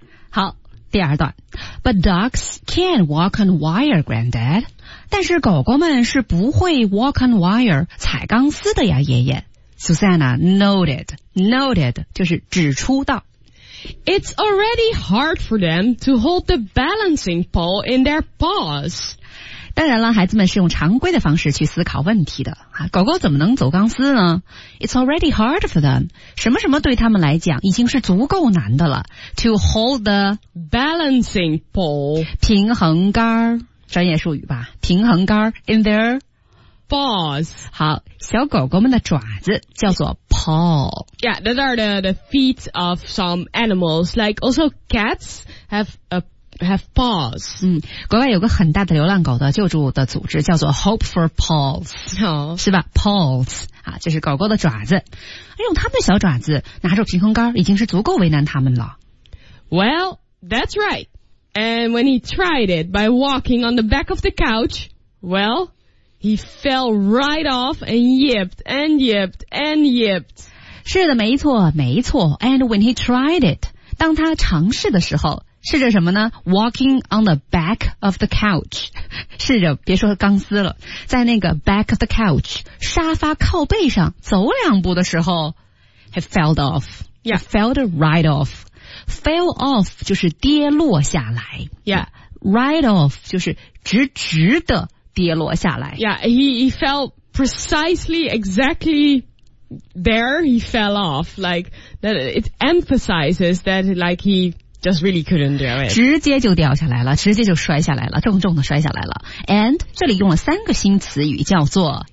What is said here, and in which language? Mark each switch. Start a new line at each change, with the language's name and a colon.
Chinese: 好，第二段。
English: But dogs can't walk on wire, Granddad.
Chinese: 但是狗狗们是不会
English: walk on wire
Chinese: 踩钢丝的呀，爷爷。 Susanna noted 就是指出道。
English: It's already hard for them to hold the balancing pole in their paws.
Chinese: 当然了，孩子们是用常规的方式去思考问题的。狗狗怎么能走钢丝呢？
English: It's already hard for them.
Chinese: 什么什么对他们来讲已经是足够难的了。
English: To hold the balancing pole.
Chinese: 平衡杆专业术语吧，平衡杆
English: in their paws.
Chinese: 好，小狗狗们的爪子叫做 paw.
English: Yeah, those are the feet of some animals. Like also cats have paws.
Chinese: 国外有个很大的流浪狗的救助的组织叫做 Hope for Paws.、
English: Oh.
Chinese: 是吧 ?Paws. 啊，这是狗狗的爪子。用他们的小爪子拿着平衡杆已经是足够为难他们了。
English: Well, that's right. And when he tried it by walking on the back of the couch, well, he fell right off and yipped and yipped and yipped.
Chinese: 是的，没错，没错。
English: And when he tried it,
Chinese: 当他尝试的时候，试着什么呢？
English: Walking on the back of the couch.
Chinese: 试着，别说钢丝了，在那个
English: back of the couch,
Chinese: 沙发靠背上走两步的时候，
English: he fell off. Yeah. He fell right off. Fell off
Chinese: 就是跌落下来
English: Yeah
Chinese: Right off 就是直直的跌落下来
English: Yeah, he fell precisely exactly there he fell off Like that it emphasizes that like he just really couldn't do it
Chinese: 直接就掉下来了直接就摔下来了重重的摔下来了 And 这里用了三个新词语叫做